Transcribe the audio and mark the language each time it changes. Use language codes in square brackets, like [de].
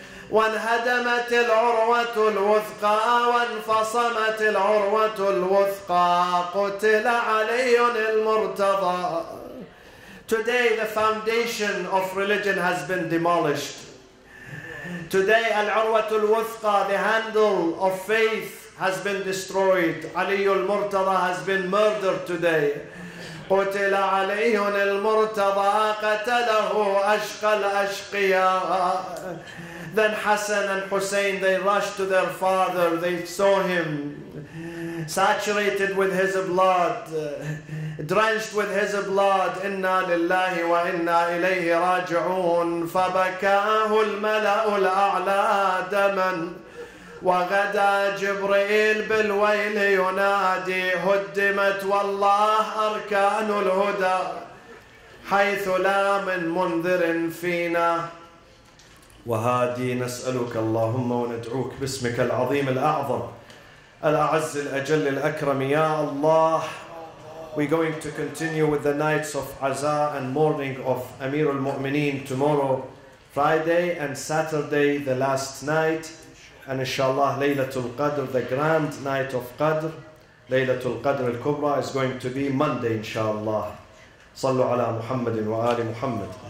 [ar] وانهدمت العروة الوثقى وانفصمت العروة الوثقى قتل علي المرتضى. [en] Today the foundation of religion has been demolished. Today العروة الوثقى, the handle of faith, has been destroyed. علي المرتضى has been murdered today. [ar] قتل علي المرتضى قتله أشقى الأشقياء. [en] Then Hassan and Hussein, they rushed to their father. They saw him saturated with his blood, drenched with his blood. [ar] Inna lillahi wa inna ilayhi raji'un. Fabakahu al-mala'u al-a'la daman. Wa ghada Jibreel bil-wayli yunadi. Huddimat wallah arkanu al-huda. Haythu la min mundhirin fina. وهادي نسألك اللهم وندعوك باسمك العظيم الأعظم الأعز الأجل الأكرم يا الله. [en] We're going to continue with the nights of Aza and mourning of Amir al-Mu'mineen tomorrow, Friday and Saturday, the last night. And inshallah, Laylatul Qadr, the grand night of Qadr, Laylatul Qadr al-Kubra, is going to be Monday inshallah. [ar] صلوا على محمد وآل محمد.